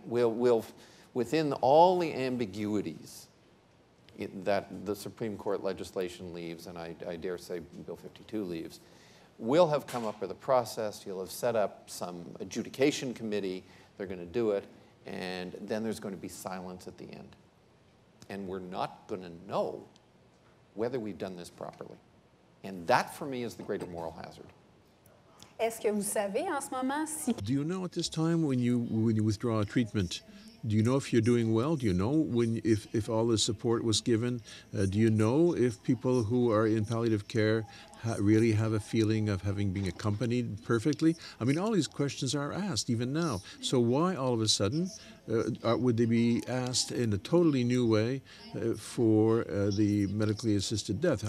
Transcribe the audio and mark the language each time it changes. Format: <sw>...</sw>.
<en>We'll within all the ambiguities that the Supreme Court legislation leaves, and I dare say Bill 52 leaves, we'll have come up with a process. You'll have set up some adjudication committee. They're going to do it, and then there's going to be silence at the end. And we're not going to know whether we've done this properly. And that, for me, is the greater moral hazard.</en> <fr>Est-ce que vous savez en ce moment si...</fr> <en>Do you know at this time when you withdraw a treatment, Do you know if you're doing well? Do you know when, if all the support was given? Do you know if people who are in palliative care really have a feeling of having been accompanied perfectly? I mean, all these questions are asked even now. So why all of a sudden would they be asked in a totally new way for the medically assisted death?</en>